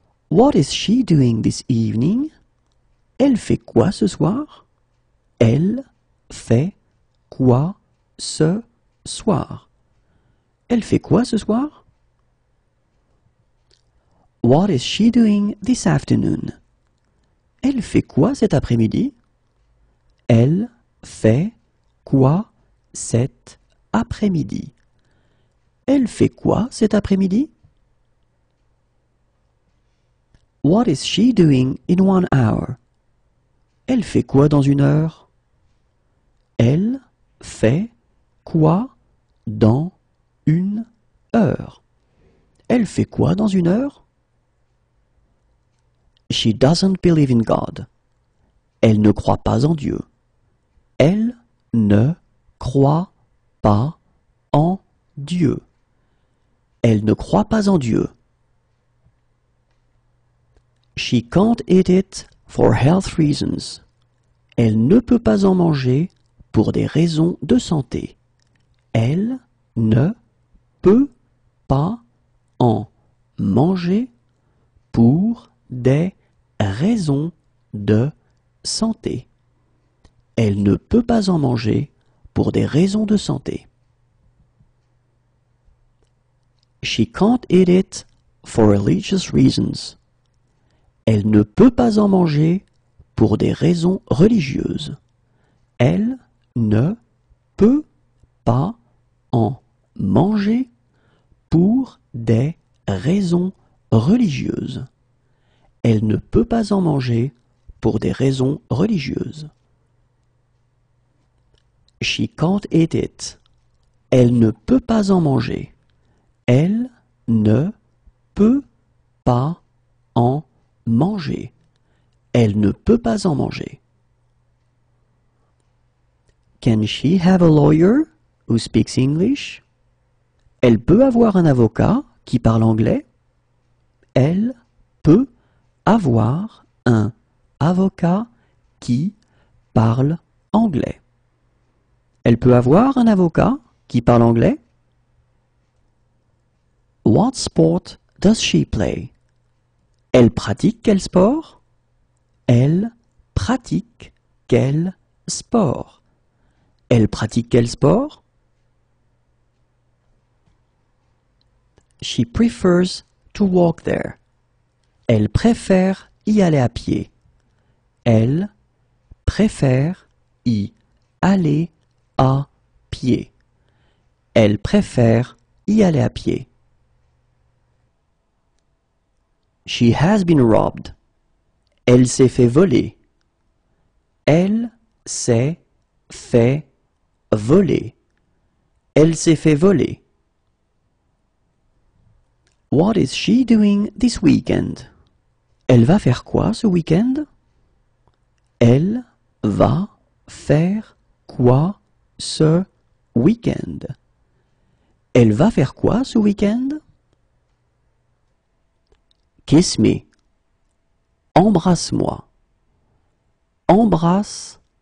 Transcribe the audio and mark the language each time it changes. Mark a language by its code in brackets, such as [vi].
[en] What is she doing this evening? [fr] Elle fait quoi ce soir? Elle fait quoi ce soir? Elle fait quoi ce soir? [en] What is she doing this afternoon? [fr] Elle fait quoi cet après-midi? Elle fait quoi cet après-midi? Elle fait quoi cet après-midi? [en] What is she doing in 1 hour? [fr] Elle fait quoi dans une heure? Elle fait quoi dans une heure? Elle fait quoi dans une heure? [en] She doesn't believe in God. [fr] Elle ne croit pas en Dieu. Elle ne croit pas en Dieu. Elle ne croit pas en Dieu. [en] She can't eat it for health reasons. [fr] Elle ne peut pas en manger pour des raisons de santé. Elle ne peut pas en manger pour des raisons de santé. Elle ne peut pas en manger pour des raisons de santé. [en] She can't eat it for religious reasons. [fr] Elle ne peut pas en manger pour des raisons religieuses. Elle ne peut pas en manger pour des raisons religieuses. Elle ne peut pas en manger pour des raisons religieuses. [en] She can't eat it. [fr] Elle ne peut pas en manger. Elle ne peut pas en manger. Elle ne peut pas en manger. [en] Can she have a lawyer who speaks English? [fr] Elle peut avoir un avocat qui parle anglais. Elle peut avoir un avocat qui parle anglais. Elle peut avoir un avocat qui parle anglais. [en] What sport does she play? [fr] Elle pratique quel sport? Elle pratique quel sport? Elle pratique quel sport? [en] She prefers to walk there. [fr] Elle préfère y aller à pied. Elle préfère y aller à pied. Elle préfère y aller à pied. [en] She has been robbed. [fr] Elle s'est fait voler. Elle s'est fait voler. Elle s'est fait voler. [en] What is she doing this weekend? [fr] Elle va faire quoi ce week-end? Elle va faire quoi ce week-end? Elle va faire quoi ce week-end? [en] Kiss me. [fr] Embrasse-moi. Embrasse-moi.